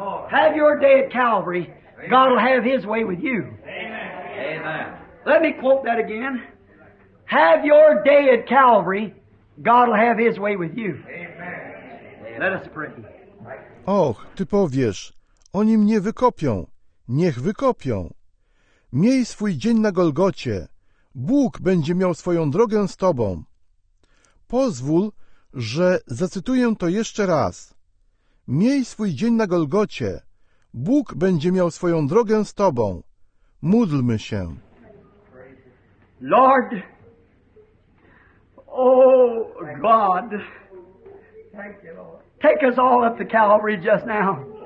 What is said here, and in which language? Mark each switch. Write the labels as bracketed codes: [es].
[en] Have your day at Calvary. God will have his way with you. Amen. Let me quote that again. Have your day at Calvary. God will have his way with you. Amen. Let us pray. [pl] Och, ty powiesz, oni mnie wykopią. Niech wykopią. Miej swój dzień na Golgocie. Bóg będzie miał swoją drogę z tobą. Pozwól, że zacytuję to jeszcze raz. Miej swój dzień na Golgocie. Bóg będzie miał swoją drogę z tobą. Módlmy się. [en] Lord, O God, take us all up to Calvary just now.